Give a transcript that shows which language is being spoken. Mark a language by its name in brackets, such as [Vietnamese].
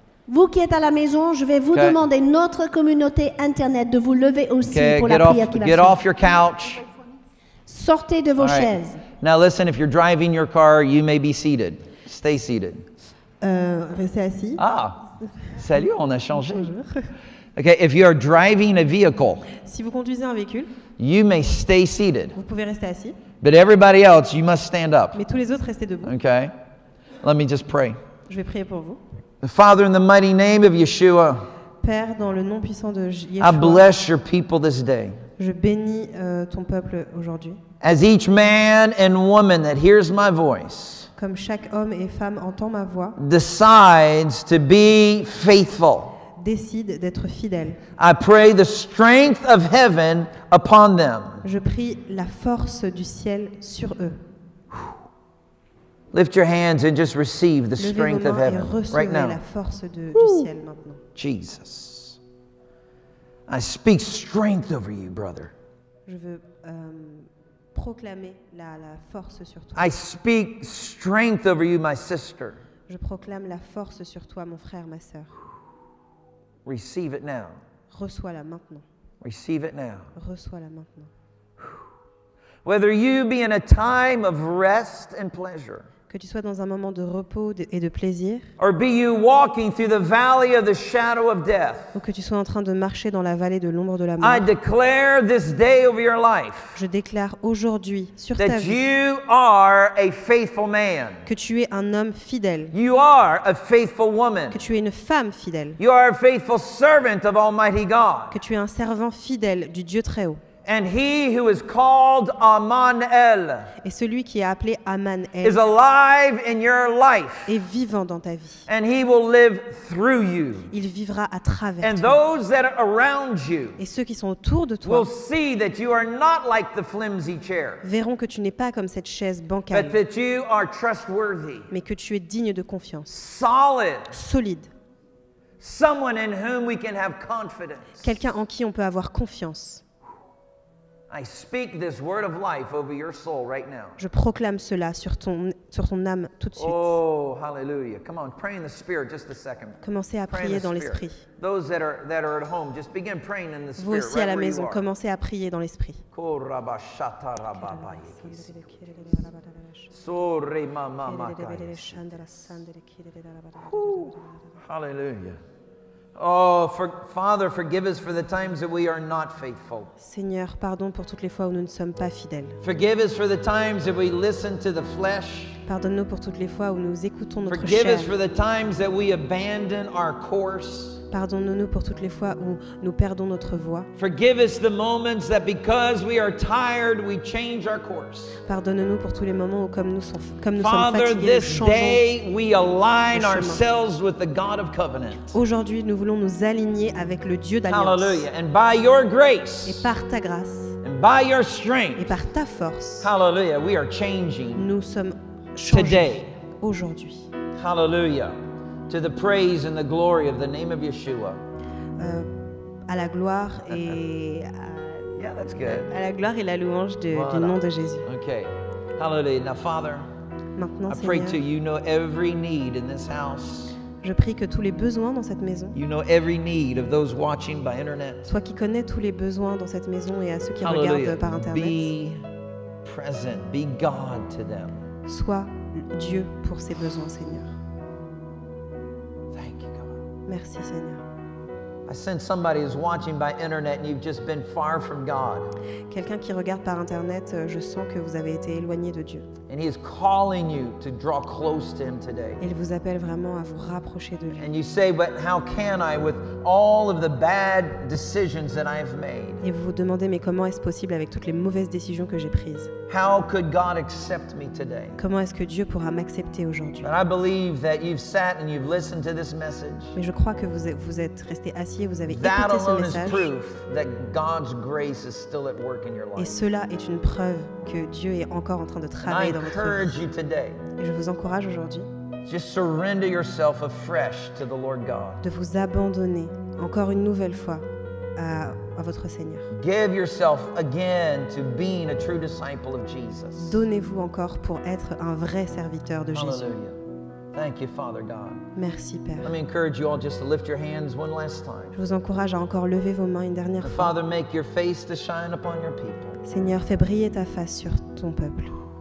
[French] Vous qui êtes à la maison, je vais vous [English] okay. [French] demander notre communauté internet de vous lever aussi [English] okay. [French] pour [English] get [French] la prière [English] off, [French] qui va suivre. [English] Get off your couch. [French] Sortez de vos [English] right. [French] chaises. [English] Now listen, if you're driving your car, you may be seated. Stay seated. [French] Restez assis. Ah, salut, on a changé. [English] Okay, if you are driving a vehicle. [French] Si vous conduisez un véhicule. [English] You may stay seated. [French] Vous pouvez rester assis. [English] But everybody else, you must stand up. [French] Mais tous les autres, restez debout. [English] Okay, let me just pray. [French] Je vais prier pour vous. [English] Father, in the mighty name of Yeshua. [French] Père, dans le nom puissant de Yeshua. [English] I bless your people this day. [French] Je bénis ton peuple aujourd'hui. [English] As each man and woman that hears my voice. [French] Comme chaque homme et femme entend ma voix. [English] Decides to be faithful. [French] Décide d'être fidèle. [English] I pray the strength of heaven upon them. [French] Je prie la force du ciel sur eux. [English] Lift your hands and just receive the [French] Levez [English] strength of heaven right now. [French] La force du ciel maintenant. [English] Jesus. I speak strength over you, brother. [French] Je veux proclamer la force sur toi. [English] I speak strength over you, my sister. [French] Je proclame la force sur toi, mon frère, ma sœur. [English] Receive it now. [French] Reçois-la maintenant. [English] Receive it now. [French] Reçois-la maintenant. [English] Whether you be in a time of rest and pleasure. [French] Que tu sois dans un moment de repos et de plaisir. [English] Or be you walking through the valley of the shadow of death. [French] Ou que tu sois en train de marcher dans la vallée de l'ombre de la mort. [English] I declare this day over your life. [French] Je déclare aujourd'hui sur [English] that [French] ta vie. [English] That you are a faithful man. [French] Que tu es un homme fidèle. [English] You are a faithful woman. [French] Que tu es une femme fidèle. [English] You are a faithful servant of Almighty God. [French] Que tu es un servant fidèle du Dieu très haut. [English] And he who is called Amanel. [French] Et celui qui est appelé Amanel. [English] Is alive in your life. [French] Est vivant dans ta vie. [English] And he will live through you. [French] Il vivra à travers [English] and [French] toi. [English] Those that are around you. [French] Et ceux qui sont autour de toi. [English] Will see that you are not like the flimsy chair. [French] Verront que tu n'es pas comme cette chaise bancale. [English] But that you are trustworthy. [French] Mais que tu es digne de confiance. [English] Solid. [French] Solide. [English] Someone in whom we can have confidence. [French] Quelqu'un en qui on peut avoir confiance. [English] I speak this word of life over your soul right now. [French] Je proclame cela sur ton âme tout de suite. [English] Oh, hallelujah. Come on, pray in the spirit just a second. [French] Commencez à prier dans l'esprit. [English] Those that are at home, just begin praying in the spirit. [French] Vous aussi à la maison, commencez à prier dans l'esprit. [English] Hallelujah. Oh, Father, forgive us for the times that we are not faithful. [French] Seigneur, pardon pour toutes les fois où nous ne sommes pas fidèles. [English] Forgive us for the times that we listen to the flesh. [French] Pardonne-nous pour toutes les fois où nous écoutons notre [English] forgive [French] chair. [English] Forgive us for the times that we abandon our course. [French] Pardonne-nous pour toutes les fois où nous perdons notre voie. [English] Forgive us the moments that because we are tired, we change our course. [French] Pardonne-nous pour tous les moments où comme nous [English] Father, [French] sommes fatigués, nous changeons de chemin. [English] Father, this day we align ourselves with the God of covenant. [French] Aujourd'hui, nous voulons nous aligner avec le Dieu d'alliance. [English] Hallelujah. And by your grace. [French] Et par ta grâce. [English] And by your strength. [French] Et par ta force. [English] Hallelujah. We are changing. [French] Nous sommes changés [English] today. [French] Aujourd'hui. [English] Hallelujah. To the praise and the glory of the name of Yeshua. [French] À la gloire et [English] yeah, that's good. [French] À la gloire et la louange de, voilà. Du nom de Jésus. [English] Okay. Hallelujah. Now, Father, [French] maintenant, [English] I [French] Seigneur, [English] pray to you know every need in this house. [French] Je prie que tous les besoins dans cette maison. [English] You know every need of those watching by internet. [French] Soit qui connaît tous les besoins dans cette maison et à ceux qui Hallelujah. Regardent par internet. [English] Be present. Be God to them. [French] Sois Dieu pour ces besoins, Seigneur. Merci, [English] I sense somebody is watching by internet and you've just been far from God. [French] Quelqu'un qui regarde par internet, je sens que vous avez été éloigné de Dieu. [English] And he is calling you to draw close to him today. [French] Il vous appelle vraiment à vous rapprocher de lui. [English] And you say, but how can I with all of the bad decisions that I've made? [French] Et vous vous demandez, mais comment est-ce possible avec toutes les mauvaises décisions que j'ai prises? [English] How could God accept me today? [French] Comment est-ce que Dieu pourra m'accepter aujourd'hui? [English] But I believe that you've sat and you've listened to this message. [French] Mais je crois que vous êtes resté assis et vous avez [English] that [French] écouté ce message. [English] That is proof that God's grace is still at work in your life. [French] Et cela est une preuve que Dieu est encore en train de travailler dans votre vie. [English] I encourage you today. [French] Et je vous encourage aujourd'hui. [English] Just surrender yourself afresh to the Lord God. [French] De vous abandonner encore une nouvelle fois à votre Seigneur. [English] Give yourself again to being a true disciple of Jesus. [French] Donnez-vous encore pour être un vrai serviteur de Jésus. [English] Thank you, Father God. [French] Merci, Père. [English] Let me encourage you all just to lift your hands one last time. [French] Je vous encourage à encore lever vos mains une dernière fois. [English] Father, make your face to shine upon your people. [French] Seigneur, fais briller ta face sur ton peuple.